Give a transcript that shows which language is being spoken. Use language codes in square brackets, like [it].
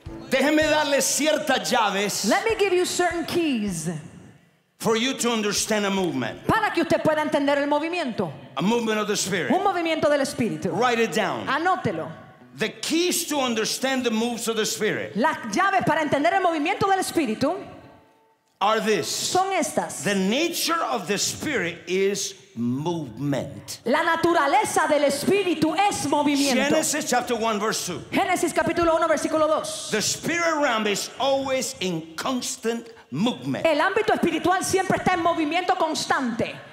[es] Déjeme darle ciertas llaves. [en] Let me give you certain keys. For you to understand a movement. [es] Para que usted pueda entender el movimiento. [en] A movement of the spirit. [es] Un movimiento del espíritu. [en] Write it down. [es] Anótelo. [en] The keys to understand the moves of the spirit. [es] Las llaves para entender el movimiento del espíritu. [en] Are this. [es] Son estas. [en] The nature of the spirit is movement. [es] La naturaleza del espíritu es movimiento. [en] Genesis chapter 1 verse 2. [es] Génesis capítulo 1 versículo 2. [en] The spirit realm is always in constant movement. [es] El ámbito espiritual siempre está en movimiento constante.